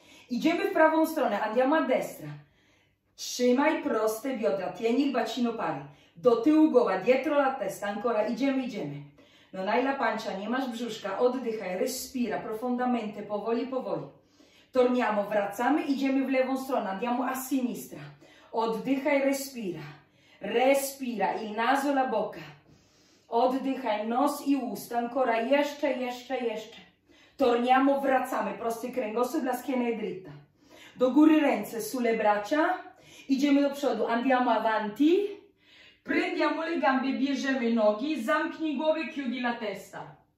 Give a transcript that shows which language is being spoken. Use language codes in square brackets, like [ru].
[pl] Idziemy w prawą stronę, [it] andiamo a destra. [pl] Trzymaj proste biodra, [it] tienik bacino pari. [pl] Do tyłu głowa, [it] dietro la testa, ancora, [pl] idziemy, idziemy. [it] Non hai la pancia, [pl] nie masz brzuszka. Oddychaj, [it] respira profondamente, [pl] powoli, powoli. [it] Torniamo, [pl] wracamy, idziemy w lewą stronę. [it] Andiamo a sinistra. [pl] Oddychaj, [it] respira. Respira, il naso, la bocca. [pl] Oddychaj, nos i usta. [it] Ancora, [pl] jeszcze, jeszcze, jeszcze. [it] Torniamo, [pl] wracamy. Prosty kręgosłup, [it] la schiena è dritta. [pl] Do góry ręce, [it] sulle braccia. [pl] Idziemy do przodu, [it] andiamo avanti. Prendiamo le gambe, [pl] bierzemy nogi, zamknij głowę, [it] chiudi la testa.